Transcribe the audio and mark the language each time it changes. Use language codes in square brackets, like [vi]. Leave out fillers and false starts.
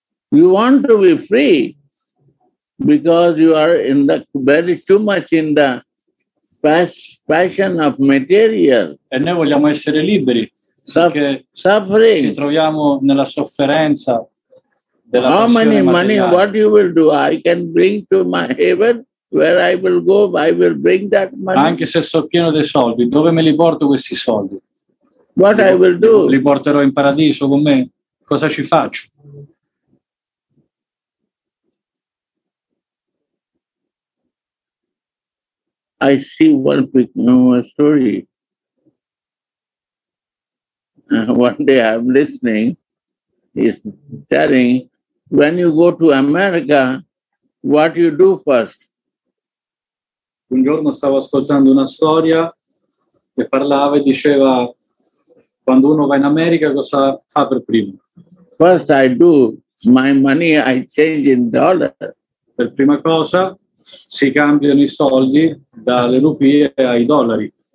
[en] You want to be free because you are in the very too much in the passion of material. [it] E noi vogliamo essere liberi perché [en] suffering. [it] Ci troviamo nella sofferenza della passione materiale. [en] How many money? What you will do? I can bring to my heaven where I will go. I will bring that money. [it] Anche se sono pieno dei soldi, dove me li porto questi soldi? [en] What I will do? [it] Li porterò in paradiso con me. Cosa ci faccio? [en] I see one big story. One day I'm listening, he's telling, when you go to America, what you do first? [it] Un giorno stavo ascoltando una storia che parlava e diceva, quando uno va in America, cosa fa per primo? [en] First I do, my money I change in dollar. [it] Per prima cosa, si cambiano i soldi dalle rupie ai dollari.